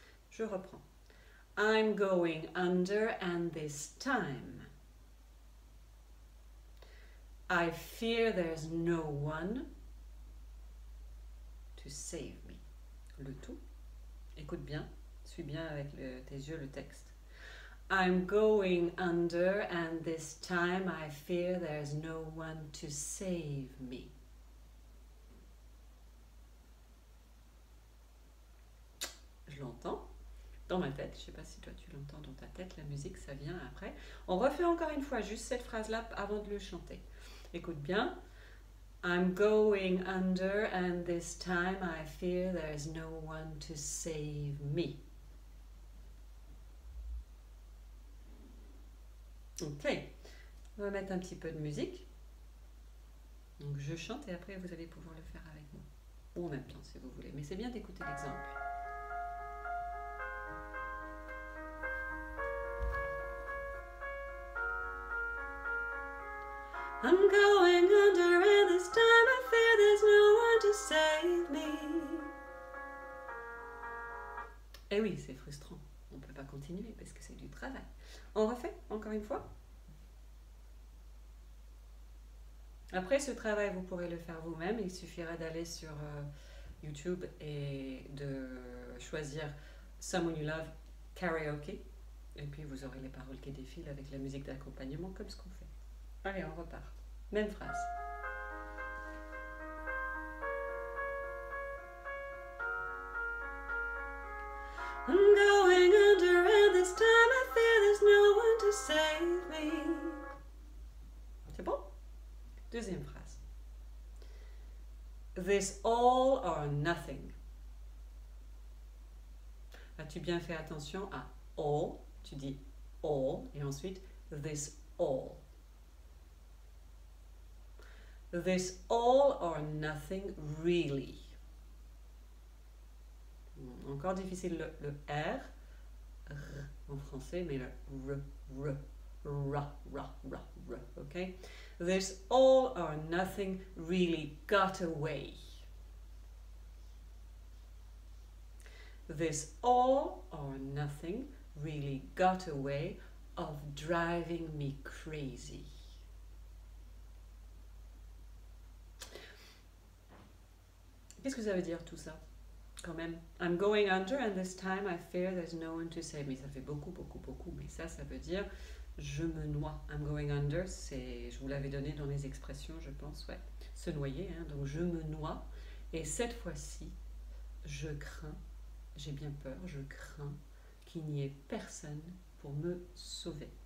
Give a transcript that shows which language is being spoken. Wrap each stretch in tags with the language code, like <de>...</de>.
<fr>Je reprends.</fr> <en>I'm going under and this time, I fear there's no one to save me.</en> <fr>Le tout. Écoute bien. Suis bien avec tes yeux le texte.</fr> <en>I'm going under and this time I fear there's no one to save me.</en> <fr>Je l'entends dans ma tête. Je ne sais pas si toi tu l'entends dans ta tête. La musique, ça vient après. On refait encore une fois juste cette phrase-là avant de le chanter. Écoute bien.</fr> <en>I'm going under and this time I fear there's no one to save me.</en> <fr>Ok, on va mettre un petit peu de musique. Donc je chante et après vous allez pouvoir le faire avec moi. Ou en même temps si vous voulez. Mais c'est bien d'écouter l'exemple.</fr> <en>I'm going under and this time I fear there's no one to save me.</en> <fr>Eh oui, c'est frustrant. On ne peut pas continuer parce que c'est du travail. On refait encore une fois. Après ce travail, vous pourrez le faire vous-même. Il suffira d'aller sur YouTube et de choisir Someone You Love Karaoke. Et puis vous aurez les paroles qui défilent avec la musique d'accompagnement comme ce qu'on fait. Allez, on repart. Même phrase.</fr> <en>I'm going under and this time I fear there's no one to save me.</en> <fr>C'est bon? Deuxième phrase.</fr> <en>This all or nothing.</en> <fr>As-tu bien fait attention à all? Tu dis all et ensuite this all.</fr> <en>This all or nothing really.</en> <fr>Encore difficile le R, R en français, mais le R, R, R, R, R, R, ok?</fr> <en>This all or nothing really got away. This all or nothing really got away of driving me crazy.</en> <fr>Qu'est-ce que ça veut dire tout ça? Quand même,</fr> <en>I'm going under and this time I fear there's no one to save me.</en> <fr>Ça fait beaucoup, beaucoup, beaucoup, mais ça veut dire je me noie.</fr> <en>I'm going under,</en> <fr>c'est, je vous l'avais donné dans les expressions, je pense, ouais, se noyer, hein. Donc je me noie et cette fois-ci, je crains, j'ai bien peur, je crains qu'il n'y ait personne pour me sauver.</fr>